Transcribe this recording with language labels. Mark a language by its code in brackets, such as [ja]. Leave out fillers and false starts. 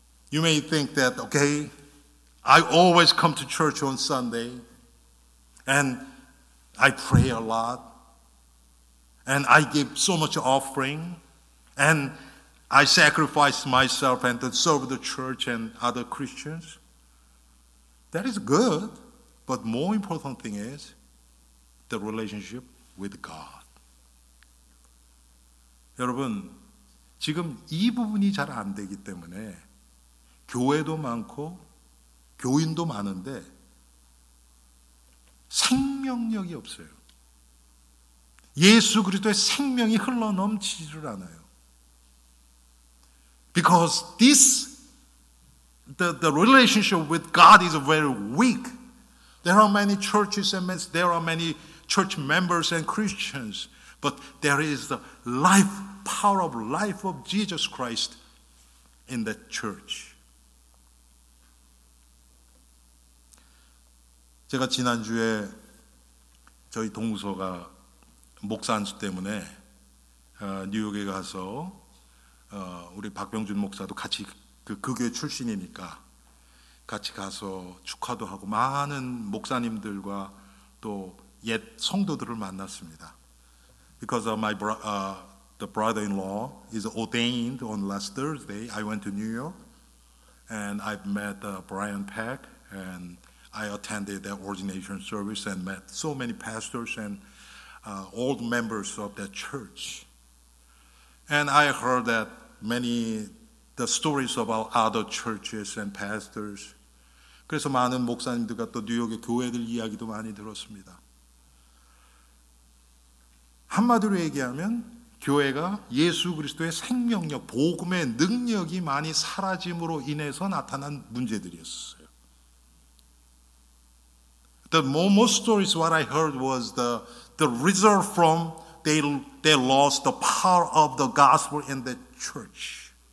[en] You may think that, okay, I always come to church on Sunday and I pray a lot and I give so much offering and I sacrifice myself and to serve the church and other Christians. That is good, but more important thing is the relationship with God. [ko] 여러분, 지금 이 부분이 잘 안 되기 때문에 교회도 많고 교인도 많은데 생명력이 없어요. 예수 그리스도의 생명이 흘러넘치지를 않아요. [en] Because this the relationship with God is very weak. There are many churches and there are many church members and Christians, but there is the life power of life of Jesus Christ in the church. [ko] 제가 지난주에 저희 동서가 목사 안수 때문에 뉴욕에 가서 우리 박병준 목사도 같이 그 교회 출신이니까 같이 가서 축하도 하고 많은 목사님들과 또 옛 성도들을 만났습니다. [en] Because of my the brother-in-law is ordained on last Thursday, I went to New York and I've met Brian Peck and I attended their ordination service and met so many pastors and old members of that church. And I heard that many the stories about other churches and pastors. [ko] 그래서 많은 목사님들과 또 뉴욕의 교회들 이야기도 많이 들었습니다. 한마디로 얘기하면 교회가 예수 그리스도의 생명력, 복음의 능력이 많이 사라짐으로 인해서 나타난 문제들이었어요. [en] The most stories what I heard was the result from they lost the power of the gospel in the church.